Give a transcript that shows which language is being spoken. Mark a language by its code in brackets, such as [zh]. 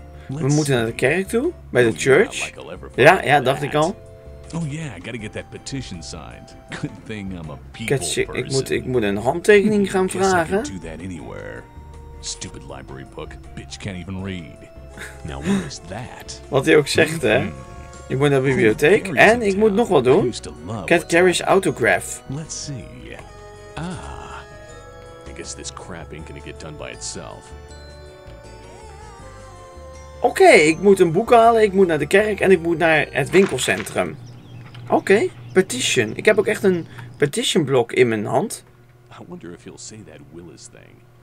[nl] We moeten naar de kerk toe, bij de church. Ja, ja, dacht ik al. [en] Oh yeah, I gotta get that petition signed. Good thing I'm a people person. [nl] Ik moet een handtekening gaan vragen. [en] Do that anywhere. Stupid library book, bitch can't even read. Now where is that? [nl] Wat hij ook zegt, hè? Ik moet naar de bibliotheek en ik moet nog wat doen. [en] Cat Carrie's autograph. Let's see. Ah. I guess this crap ain't gonna get done by itself. [nl] Oké, ik moet een boek halen, ik moet naar de kerk en ik moet naar het winkelcentrum. Oké, petition. Ik heb ook echt een petition blok in mijn hand. [en] I wonder if he'll say that Willis thing.